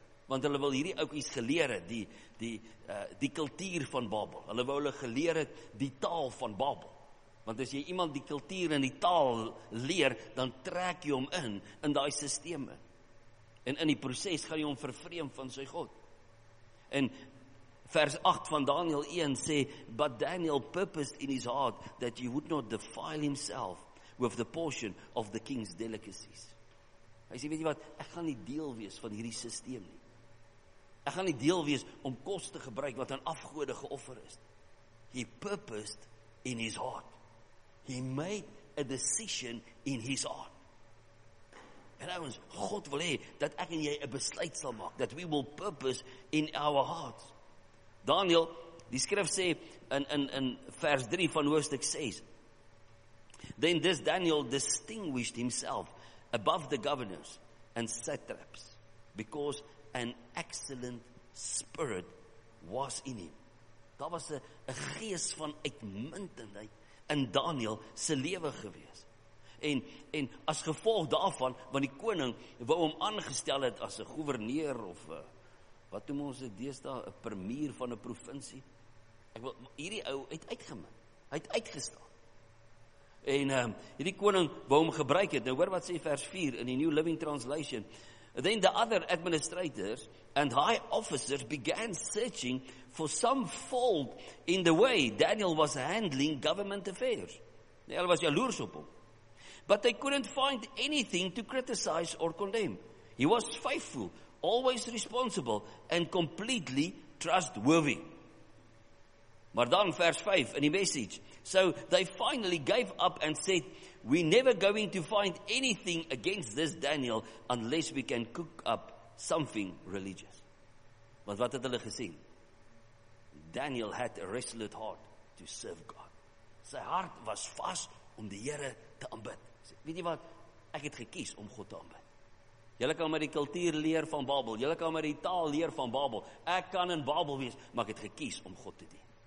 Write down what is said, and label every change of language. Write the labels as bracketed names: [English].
[Afrikaans] Want hulle wil hierdie oukies geleer het, die kultuur van Babel. Hulle wou hulle geleer het, die taal van Babel. Want as jy iemand die kultuur en die taal leer, dan trek jy hom in die systeme. En in die proces gaan jy hom vervreem van sy God. En vers 8 van Daniel 1 sê, [English] But Daniel purposed in his heart that he would not defile himself with the portion of the king's delicacies. [Afrikaans] Hy sê, weet jy wat, ek gaan nie deel wees van hierdie systeem nie. Ek gaan nie deel wees om kos te gebruik wat aan afgode geoffer is. [English] He purposed in his heart. He made a decision in his heart. [Afrikaans] En ouwens, God wil hê dat ek en jy 'n besluit sal maak, [English] that we will purpose in our hearts. Daniel, [Afrikaans] die skrif sê in vers 3 van hoofstuk 6, [English] Then this Daniel distinguished himself above the governors and satraps because an excellent spirit was in him. [Afrikaans] Daar was 'n gees van uitmuntendheid in Daniel se lewe gewees. En as gevolg daarvan, want die koning wou hom aangestel het as 'n goewerneur of wat noem ons dit deesdae, 'n premier van 'n provinsie. Ek wil hierdie ou het uitgemin. Hy het uitgestaan. En hierdie koning wou hom gebruik het. Nou hoor wat sê vers 4 in die New Living Translation. [English] Then the other administrators and high officers began searching for some fault in the way Daniel was handling government affairs. [Afrikaans] Nee, hulle was jaloers op hom. [English] But they couldn't find anything to criticize or condemn. He was faithful, always responsible and completely trustworthy. [Afrikaans] Maar dan vers 5 in die message. [English] So they finally gave up and said, we never going to find anything against this Daniel unless we can cook up something religious. [Afrikaans] Want wat het hulle gesien? [English] Daniel had a resolute heart to serve God. [Afrikaans] Sy hart was vas om die Here te aanbid. Weet jy wat? Ek het gekies om God te aanbid. Julle kan maar die kultuur leer van Babel. Julle kan maar die taal leer van Babel. Ek kan in Babel wees, maar ek het gekies om God te dien.